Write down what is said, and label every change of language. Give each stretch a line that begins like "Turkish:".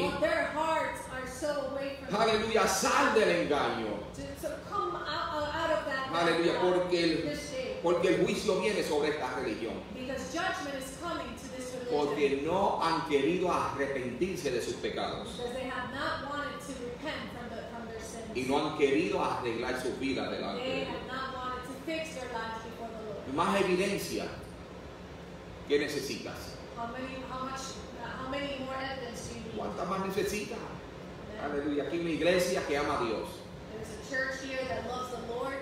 English: Well, their hearts are so away from me.
Spanish: Aleluya, sal del engaño.
English: So come out of that.
Spanish: Aleluya, porque el juicio viene sobre esta religión.
English: Because judgment is coming.
Spanish: Porque no han querido arrepentirse de sus pecados.
English: They have not wanted to repent from their sins.
Spanish: Y no han querido arreglar sus vidas delante.
English: They have not wanted to fix their lives before the Lord.
Spanish: Más evidencia. ¿Qué necesitas?
English: How many more evidence do you need?
Spanish: ¿Cuánta más necesitas? Aleluya. Aquí una iglesia que ama a Dios.
English: There's a church here that loves the Lord.